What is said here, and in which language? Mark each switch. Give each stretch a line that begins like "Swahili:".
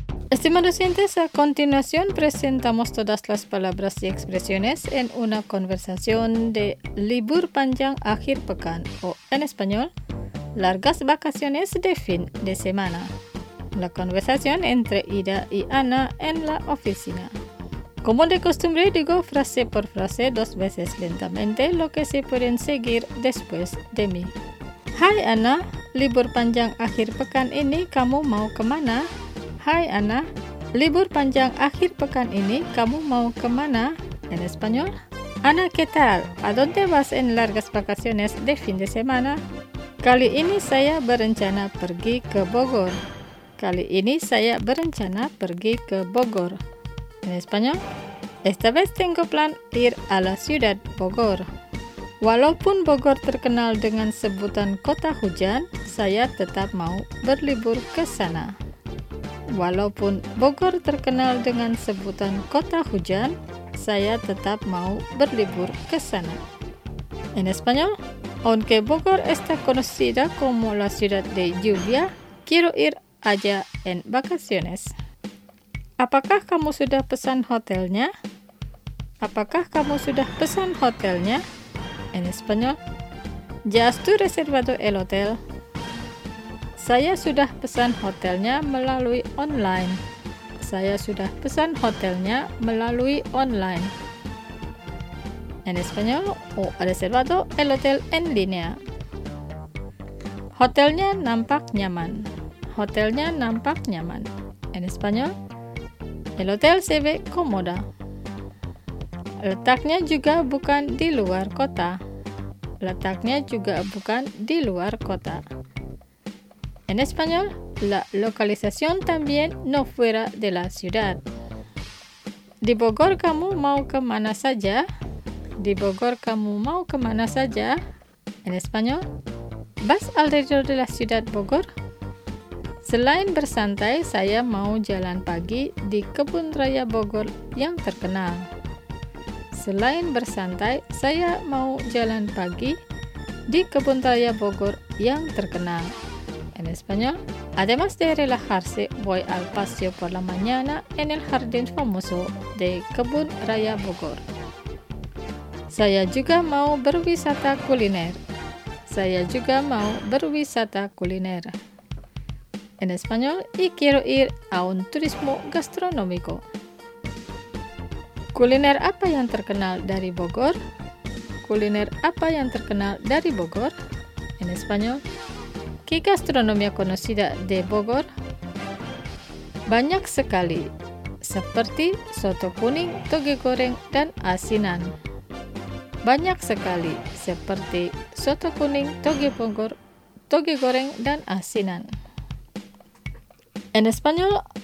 Spanish: Estimados docentes, a continuación presentamos todas las palabras y expresiones en una conversación de
Indonesian: Libur Panjang Akhir Pekan,
Spanish: o en español, Largas Vacaciones de Fin de Semana. La conversación entre Ida y Ana en la oficina. Como de costumbre, digo frase por frase dos veces lentamente lo que se pueden seguir después de mí.
Indonesian: Hai Ana, Libur Panjang Akhir Pekan ini kamu mau kemana? Hai Ana, libur panjang akhir pekan ini kamu mau kemana?
Spanish: En español. Ana, ¿qué tal? ¿A dónde vas en largas vacaciones de fin de semana?
Indonesian: Kali ini saya berencana pergi ke Bogor. Kali ini saya berencana pergi ke Bogor.
Spanish: En español. Esta vez tengo plan ir a la ciudad Bogor.
Indonesian: Walaupun Bogor terkenal dengan sebutan kota hujan, saya tetap mau berlibur ke sana. Walaupun Bogor terkenal dengan sebutan kota hujan, saya tetap mau berlibur ke sana.
Spanish: En español, aunque Bogor está conocida como la ciudad de lluvia, quiero ir allá en vacaciones.
Indonesian: Apakah kamu sudah pesan hotelnya? Apakah kamu sudah pesan hotelnya?
Spanish: En español, ¿ya has tú reservado el hotel?
Indonesian: Saya sudah pesan hotelnya melalui online. Saya sudah pesan hotelnya melalui online.
Spanish: En español, he reservado el hotel en línea.
Indonesian: Hotelnya nampak nyaman. Hotelnya nampak nyaman.
Spanish: En español, el hotel se ve cómoda.
Indonesian: Letaknya juga bukan di luar kota. Letaknya juga bukan di luar kota.
Spanish: En español, la localización también no fuera de la ciudad.
Indonesian: Di Bogor kamu mau kemana saja? Di Bogor kamu mau kemana saja?
Spanish: En español, ¿vas alrededor de la ciudad Bogor?
Indonesian: Selain bersantai, saya mau jalan pagi di Kebun Raya Bogor yang terkenal. Selain bersantai, saya mau jalan pagi di Kebun Raya Bogor yang terkenal.
Spanish: En español, además de relajarse, voy al paseo por la mañana en el jardín famoso de Kebun Raya Bogor.
Indonesian: Saya juga mau berwisata kuliner. Saya juga mau berwisata kuliner.
Spanish: En español, y quiero ir a un turismo gastronómico.
Indonesian: Kuliner apa yang terkenal dari Bogor? Kuliner apa yang terkenal dari Bogor?
Spanish: En español, ¿qué gastronomía conocida de Bogor?
Indonesian: Banyak sekali, seperti soto kuning, toge goreng, dan asinan. Banyak sekali, seperti soto kuning, toge goreng, dan asinan.
Spanish: En español,